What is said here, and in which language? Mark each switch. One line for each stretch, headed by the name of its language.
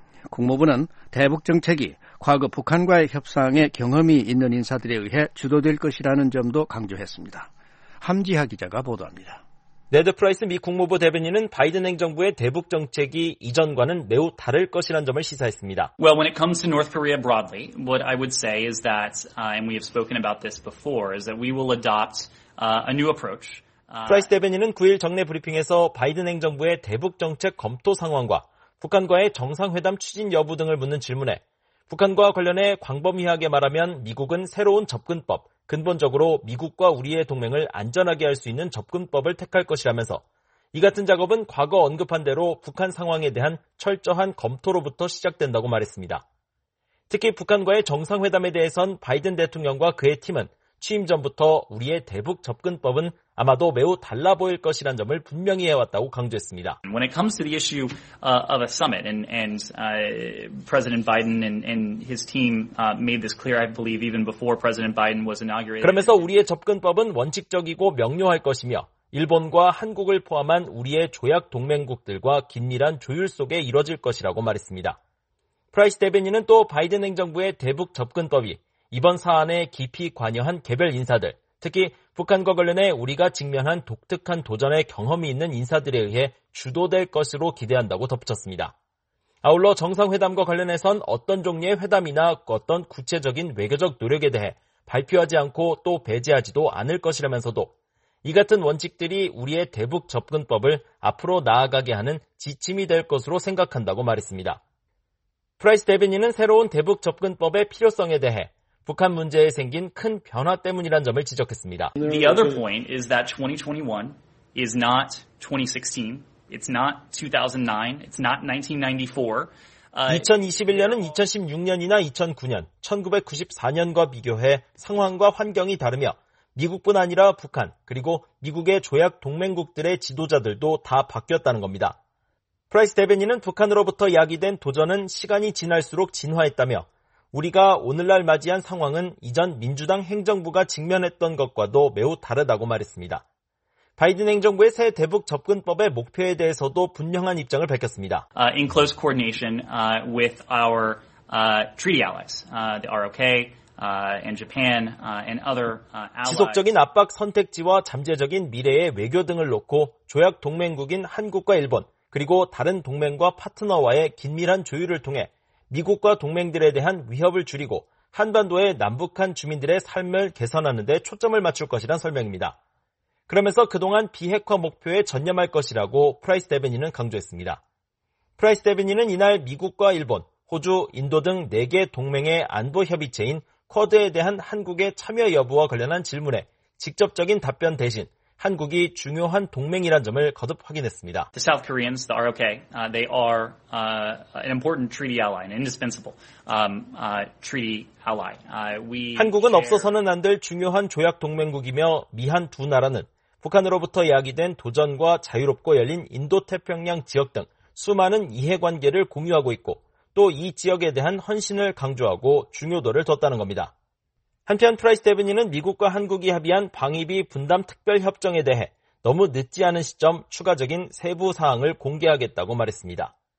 Korean: 국무부는 대북 정책이 과거 북한과의 협상에 경험이 있는 인사들에 의해 주도될 것이라는 점도 강조했습니다. 함지하 기자가 보도합니다. 네드 프라이스 미 국무부 대변인은 바이든 행정부의 대북 정책이 이전과는 매우 다를 것이라는 점을 시사했습니다.
English: Well, when it comes to North Korea broadly, what I would say is that, and we have spoken about this before, is that we will adopt a new approach.
Korean: 프라이스 대변인은 9일 정례 브리핑에서 바이든 행정부의 대북 정책 검토 상황과 북한과의 정상회담 추진 여부 등을 묻는 질문에 북한과 관련해 광범위하게 말하면 미국은 새로운 접근법, 근본적으로 미국과 우리의 동맹을 안전하게 할 수 있는 접근법을 택할 것이라면서 이 같은 작업은 과거 언급한 대로 북한 상황에 대한 철저한 검토로부터 시작된다고 말했습니다. 특히 북한과의 정상회담에 대해선 바이든 대통령과 그의 팀은 취임 전부터 우리의 대북 접근법은 아마도 매우 달라 보일 것이란 점을 분명히 해왔다고 강조했습니다.
English: When it comes to the issue of a summit, and President Biden and his team made this clear, I believe, even before President Biden was inaugurated.
Korean: 그러면서 우리의 접근법은 원칙적이고 명료할 것이며 일본과 한국을 포함한 우리의 조약 동맹국들과 긴밀한 조율 속에 이뤄질 것이라고 말했습니다. 프라이스 대변인은 또 바이든 행정부의 대북 접근법이 이번 사안에 깊이 관여한 개별 인사들, 특히 북한과 관련해 우리가 직면한 독특한 도전의 경험이 있는 인사들에 의해 주도될 것으로 기대한다고 덧붙였습니다. 아울러 정상회담과 관련해선 어떤 종류의 회담이나 어떤 구체적인 외교적 노력에 대해 발표하지 않고 또 배제하지도 않을 것이라면서도 이 같은 원칙들이 우리의 대북 접근법을 앞으로 나아가게 하는 지침이 될 것으로 생각한다고 말했습니다. 프라이스 대변인은 새로운 대북 접근법의 필요성에 대해 북한 문제에 생긴 큰 변화 때문이란 점을 지적했습니다.
English: The other point is that 2021 is not 2016, it's not 2009, it's not 1994.
Korean: 2021년은 2016년이나 2009년, 1994년과 비교해 상황과 환경이 다르며 미국뿐 아니라 북한 그리고 미국의 조약 동맹국들의 지도자들도 다 바뀌었다는 겁니다. 프라이스 대변인은 북한으로부터 야기된 도전은 시간이 지날수록 진화했다며 우리가 오늘날 맞이한 상황은 이전 민주당 행정부가 직면했던 것과도 매우 다르다고 말했습니다. 바이든 행정부의 새 대북 접근법의 목표에 대해서도 분명한 입장을 밝혔습니다.
English: In close coordination with our treaty allies, the ROK and Japan and other allies.
Korean: 지속적인 압박 선택지와 잠재적인 미래의 외교 등을 놓고 조약 동맹국인 한국과 일본 그리고 다른 동맹과 파트너와의 긴밀한 조율을 통해 미국과 동맹들에 대한 위협을 줄이고 한반도의 남북한 주민들의 삶을 개선하는 데 초점을 맞출 것이란 설명입니다. 그러면서 그동안 비핵화 목표에 전념할 것이라고 프라이스 대변인은 강조했습니다. 프라이스 대변인은 이날 미국과 일본, 호주, 인도 등 4개 동맹의 안보 협의체인 쿼드에 대한 한국의 참여 여부와 관련한 질문에 직접적인 답변 대신 한국이 중요한 동맹이란 점을 거듭 확인했습니다.
English: The South Koreans, the ROK, they are an important treaty ally, an indispensable treaty ally.
Korean: 한국은 없어서는 안 될 중요한 조약 동맹국이며 미한 두 나라는 북한으로부터 야기된 도전과 자유롭고 열린 인도 태평양 지역 등 수많은 이해관계를 공유하고 있고 또 이 지역에 대한 헌신을 강조하고 중요도를 뒀다는 겁니다. 한편 트라이스 데브니는 미국과 한국이 합의한 방위비 분담 특별협정에 대해 너무 늦지 않은 시점 추가적인 세부 사항을 공개하겠다고 말했습니다.